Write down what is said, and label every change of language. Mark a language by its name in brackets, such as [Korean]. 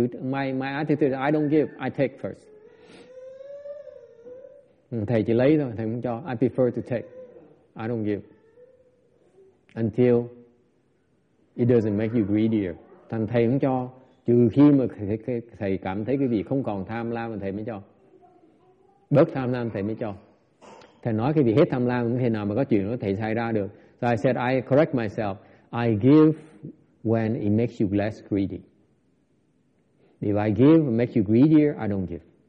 [English] My attitude is I don't give, I take first. [Vietnamese] Thầy chỉ lấy thôi, thầy không cho. [English] I prefer to take. I don't give. Until it doesn't make you greedier. [Vietnamese] Thành thầy không cho. Trừ khi mà thầy cảm thấy quý vị không còn tham lam thì thầy mới cho. Bớt tham lam thầy mới cho. Thầy nói quý vị hết tham lam không thể nào mà có chuyện đó thầy xảy ra được. [English] So I said I correct myself. I give when it makes you less greedy. If I give and makes you greedier, I don't give.